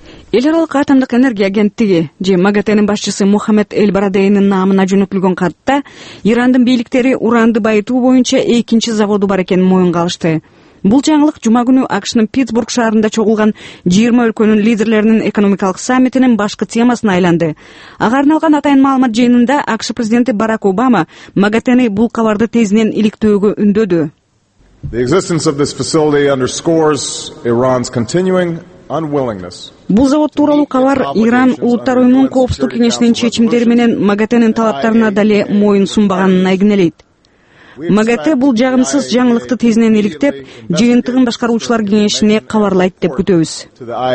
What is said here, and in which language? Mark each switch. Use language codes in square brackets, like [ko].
[ky] Эл аралык атомдук энергия агенттиги же МАГАТЭнин башчысы Мухаммед Эль Барадейнин наамына жөнөтүлгөн катта Ирандын бийликтери уранды байытуу боюнча экинчи заводу бар экенин моюнга алышты. Бул жаңылык жума күнү АКШнын Питтсбург шаарында чогулган 20 өлкөнүн лидерлеринин экономикалык саммитинин башкы темасына айланды. Ага арналган атайын маалымат жыйынында АКШ президенти Барак Обама МАГАТЭни бул кабарды тезинен иликтөөгө үндөдү. [en] The existence of this facility underscores Iran's continuing unwillingness. [ky] Бул завод тууралуу кабар Иран Улуттар Уюмунун Коопсуздук Кеңешинин чечимдери менен МАГАТЭнин талаптарына деле моюн сунбаганын айгинелейт. МАГАТЭ бул жагымсыз жаңылыкты тезинен иликтеп, жыйынтыгын башкаруучулар кеңешине кабарлайт деп күтөбүз.